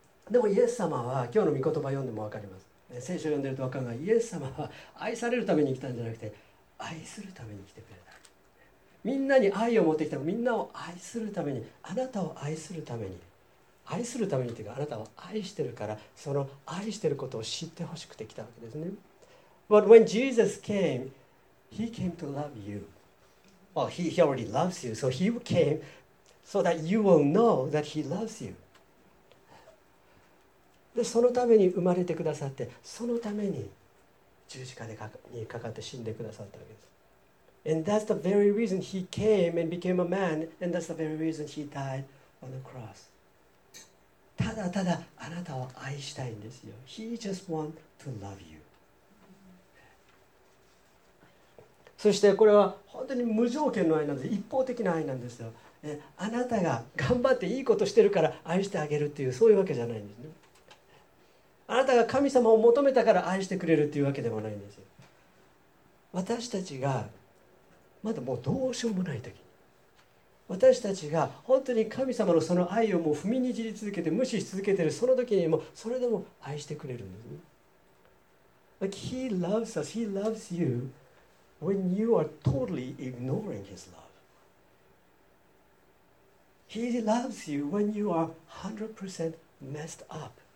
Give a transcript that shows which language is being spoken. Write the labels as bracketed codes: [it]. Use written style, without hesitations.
[ja] でもイエス様は今日の御言葉読んでも分かります。聖書を読んでると分かるが、イエス様は愛されるために来たんじゃなくて、愛するために来てくれた。みんなに愛を持ってきた、みんなを愛するために、あなたを愛するために、愛するためにというか、あなたを愛してるから、その愛してることを知ってほしくて来たわけですね。 [en] But when Jesus came, he came to love you. Well, he already loves you, so he came so that you will know that he loves you. [ja] で、そのために生まれてくださって、そのために十字架にかかって死んでくださったわけです。 [en] And that's the very reason he came and became a man, and that's the very reason he died on the cross. [ja] ただただあなたを愛したいんですよ。 [en] He just want to love you. [ja] そしてこれは本当に無条件の愛なんです。一方的な愛なんですよ。あなたが頑張っていいことしてるから愛してあげるっていう、そういうわけじゃないんですね。あなたが神様を求めたから愛してくれるっていうわけでもないんですよ。私たちがまだもうどうしようもないとき、私たちが本当に神様のその愛をもう踏みにじり続けて無視し続けているそのときにも、それでも愛してくれるんです。 [en] Like he loves us, he loves you when you are totally ignoring his love. He loves you when you are 100% messed up.